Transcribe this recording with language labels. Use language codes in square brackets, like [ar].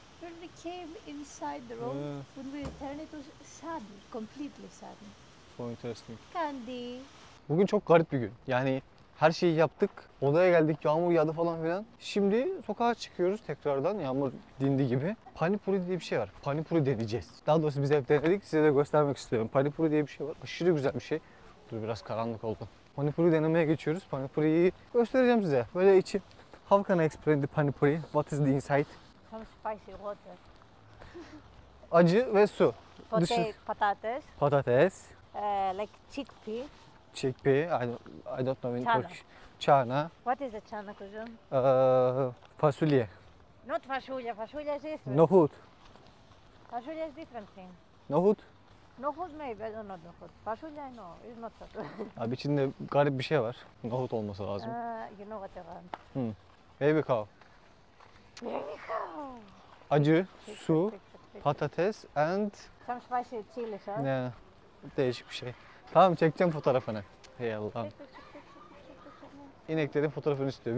[en] When we came inside the room, when we returned, it was sudden, completely sudden. [tr] Çok [en] interesting. Candy. [tr] Bugün çok garip bir gün. Yani her şeyi yaptık, odaya geldik, yağmur yağdı falan filan. Şimdi sokağa çıkıyoruz tekrardan, yağmur dindi gibi. Panipuri diye bir şey var. Panipuri deneyeceğiz. Daha doğrusu biz hep denedik, size de göstermek istiyorum. Panipuri diye bir şey var. Aşırı güzel bir şey. Dur biraz karanlık oldu. Panipuri denemeye geçiyoruz. Panipuriyi göstereceğim size. Böyle içi. [en] How can I explain the panipuri? What is the inside? Some spicy water. [tr] Acı ve su. Patates. Patates. [en] Like chickpea. Chickpea, I don't know in Turkish. [hi] Chana. [en] What is the chana, kuzum? [tr] Fasulye. [en] Not fasulye, fasulye is different. [tr] Nohut. [en] Fasulye is different thing. [tr] Nohut? [en] Nohut maybe, I don't know nohut. Fasulye, no, it's not fasulye. [tr] Abi içinde garip bir şey var. Nohut olması lazım. [en] You know what I want. Baby cow. Baby cow. [tr] Acı, su, patates and... [en] Some spicy chili sauce. [tr] Yeah. Değişik bir şey. Tamam çekeceğim fotoğrafını. Hey Allah'ım. İneklerin fotoğrafını istiyor.